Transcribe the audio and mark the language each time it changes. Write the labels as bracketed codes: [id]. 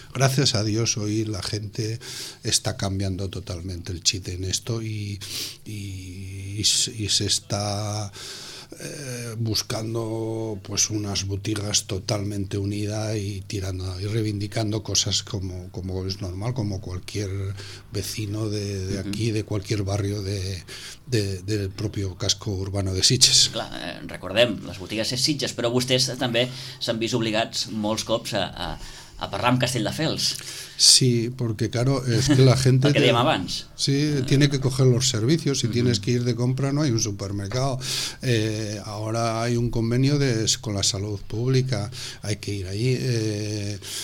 [es] Gracias a Dios hoy la gente está cambiando totalmente el chip en esto y se está buscando pues unas boutiques totalmente unidas y tirando y reivindicando cosas como es normal, como cualquier vecino de aquí, de cualquier barrio del propio casco urbano de Sitges. [ca] Clar, recordem, les botigues és Sitges, però vostès també s'han vist obligats molts cops a parlar amb Castelldefels. [es] Sí, porque claro, es que la gente... Porque [ca] dèiem abans. [es] Sí, tiene que coger los servicios, si tienes que ir de compra no hay un supermercado. Ahora hay un convenio con la salud pública, hay que ir ahí.